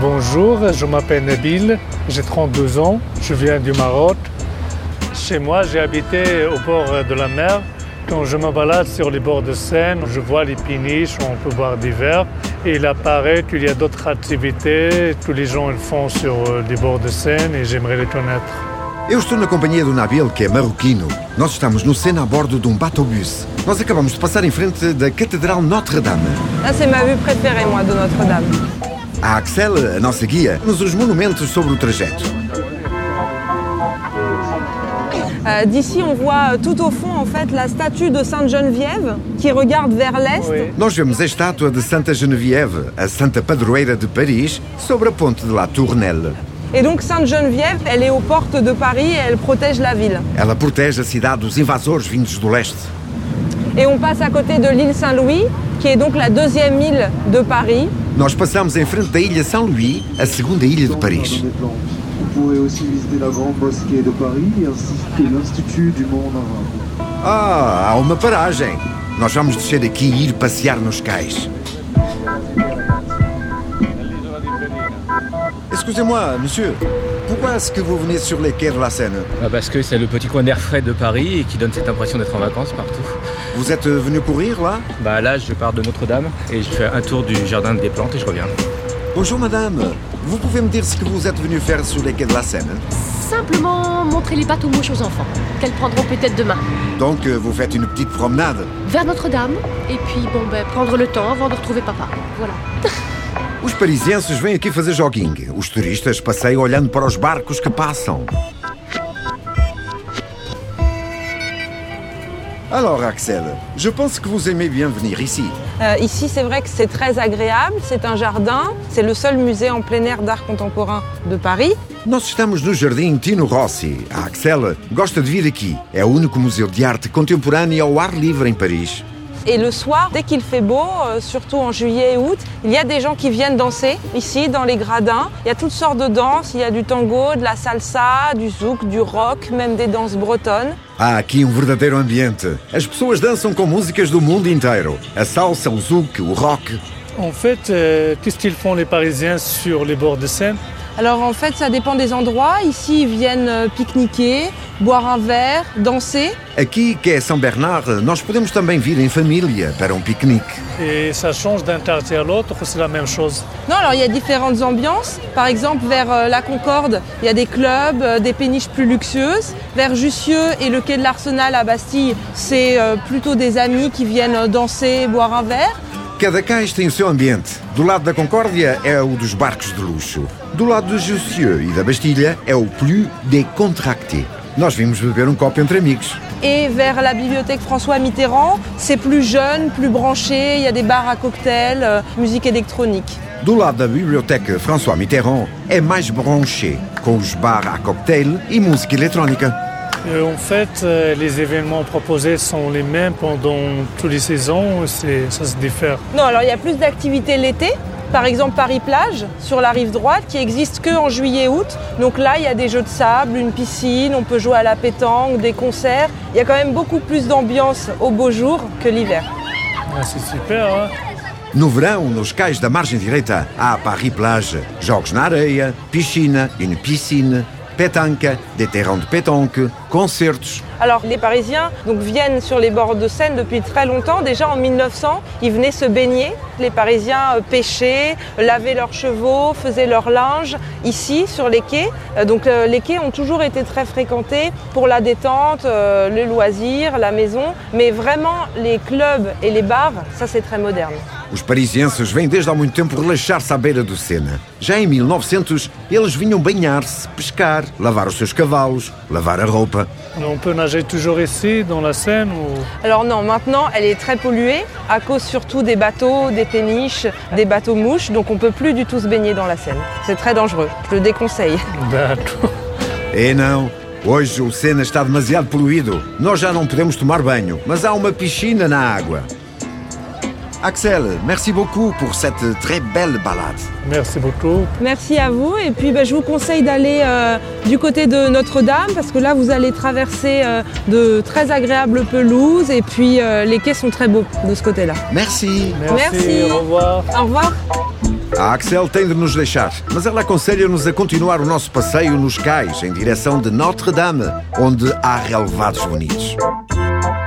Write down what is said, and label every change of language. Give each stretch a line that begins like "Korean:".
French: Bonjour, je m'appelle Nabil, j'ai 32 ans, je viens du Maroc. Chez moi, j'ai habité au bord de la mer. Quand je me balade sur les bords de Seine, je vois les péniches, on peut boire des verres. Et il apparaît qu'il y a d'autres activités que les gens font sur les bords de Seine et j'aimerais les connaître.
Portuguese: Eu estou na companhia do Nabil, que é marroquino. Nós estamos no Sena a bordo de bateau-bus. Nós acabamos de passar em frente da Catedral Notre-Dame.
French: Ah, c'est ma vue préférée, moi, de Notre-Dame. A Axel, a nossa guia, nos os monumentos sobre o trajeto. D'ici, on voit tout au fond, en fait, la statue de Sainte Geneviève, qui regarde vers l'est. Oui.
Portuguese: Nós vemos a estátua de Santa Geneviève, a Santa Padroeira de Paris, sobre a ponte de La Tournelle.
French: Et donc Sainte Geneviève, elle est aux portes de Paris et elle protège la ville.
Portuguese: Ela protege a cidade dos invasores vindos do leste.
French: Et on passe à côté de l'île Saint-Louis, qui est donc la deuxième île de Paris.
Portuguese: Nós passamos em frente da ilha Saint-Louis, a segunda ilha de Paris.
French: Vous pouvez aussi visiter la Grande Mosquée de Paris ainsi que l'Institut du Monde Arabe.
Portuguese: Ah, há uma paragem. Nós vamos descer aqui e ir passear nos cais.
French: Excusez-moi, monsieur, pourquoi est-ce que vous venez sur les quais de la Seine ? Parce que c'est le petit coin d'air frais de Paris et qui donne cette impression d'être en vacances partout. Vous êtes venu courir, là ? Là, je pars de Notre-Dame et je fais un tour du Jardin des Plantes et je reviens. Bonjour, madame. Vous pouvez me dire ce que vous êtes venu faire sur les quais de la Seine ? Simplement montrer les bateaux mouches aux enfants, qu'elles prendront peut-être demain. Donc, vous faites une petite promenade ? Vers Notre-Dame et puis, prendre le temps avant de retrouver papa. Voilà.
Portuguese: Os parisienses vêm aqui fazer jogging. Os turistas passeiam olhando para os barcos que passam.
French: Alors, Axel, je pense que vous aimez bien venir ici. Ici, c'est vrai que c'est très agréable. C'est un jardin. C'est le seul musée en plein air d'art contemporain de Paris.
Portuguese: Nós estamos no Jardim Tino Rossi. A Axel gosta de vir aqui. É o único museu de arte contemporânea ao ar livre em Paris.
French: Et le soir, dès qu'il fait beau, surtout en juillet et août, il y a des gens qui viennent danser ici, dans les gradins. Il y a toutes sortes de danses, il y a du tango, de la salsa, du zouk, du rock, même des danses bretonnes.
Portuguese: Ah, aqui um verdadeiro ambiente. As pessoas dançam com músicas do mundo inteiro. A salsa, o zouk, o rock.
French: En fait, qu'est-ce qu'ils font les Parisiens sur les bords de Seine? Alors en fait, ça dépend des endroits. Ici, ils viennent pique-niquer, boire un verre, danser.
Portuguese: Aqui, que é São Bernard, nós podemos também vir em família para pique-nique.
French: Et ça change d'un quartier à l'autre ou c'est la même chose? Non, alors il y a différentes ambiances. Par exemple, vers la Concorde, il y a des clubs, des péniches plus luxueuses. Vers Jussieu et le quai de l'Arsenal à Bastille, c'est plutôt des amis qui viennent danser, boire un verre.
Portuguese: Cada cais tem o seu ambiente. Do lado da Concórdia é o dos barcos de luxo. Do lado de Jussieu e da Bastilha é o
French: plus décontracté.
Portuguese: Nós vimos beber um copo entre amigos.
French: E vers la bibliothèque François Mitterrand, c'est plus jeune, plus branché, il y a des bars à cocktail, musique électronique.
Portuguese: Do lado da bibliothèque François Mitterrand é mais branché, com os
French: bars à cocktail
Portuguese: e música eletrônica.
French: En fait, les événements proposés sont les mêmes pendant toutes les saisons, ça se diffère. Non, alors il y a plus d'activités l'été, par exemple Paris-Plage, sur la rive droite, qui n'existe qu'en juillet-août. Donc là, il y a des jeux de sable, une piscine, on peut jouer à la pétanque, des concerts. Il y a quand même beaucoup plus d'ambiance au beau jour que l'hiver. Ah, c'est super, hein?
Portuguese: No verão, nos cais da margem direita, há Paris-Plage, jogos na areia, piscina,
French: une piscine. Pétanque, des terrains de pétanque, concerts. Alors, les Parisiens donc, viennent sur les bords de Seine depuis très longtemps. Déjà en 1900, ils venaient se baigner. Les Parisiens pêchaient, lavaient leurs chevaux, faisaient leur linge ici, sur les quais. Les quais ont toujours été très fréquentés pour la détente, le loisir, la maison. Mais vraiment, les clubs et les bars, ça c'est très moderne.
Portuguese: Os parisienses vêm desde há muito tempo relaxar-se à beira do Sena. Já em 1900, eles vinham banhar-se, pescar, lavar os seus cavalos, lavar a roupa.
French: On peut nager toujours ici, dans la Seine ou... Alors non, maintenant, elle est très polluée, à cause surtout des bateaux, des péniches, des bateaux mouches, donc on peut plus du tout se baigner dans la Seine. C'est très dangereux, je le déconseille. D'accord.
Portuguese: Et non, hoje o Sena está demasiado poluído. Nós já não podemos tomar banho, mas há uma piscina na água.
French: Axel, merci beaucoup pour cette très belle balade. Merci beaucoup. Merci à vous. Et puis, je vous conseille d'aller du côté de Notre-Dame, parce que là, vous allez traverser de très agréables pelouses. Et puis, les quais sont très beaux de ce côté-là. Merci. Merci. Merci. Au revoir. Au revoir.
Portuguese: A Axel tem de nos deixar, mas ela aconselha-nos a continuar o nosso passeio nos cais, em direção de Notre-Dame, onde há relevados bonitos.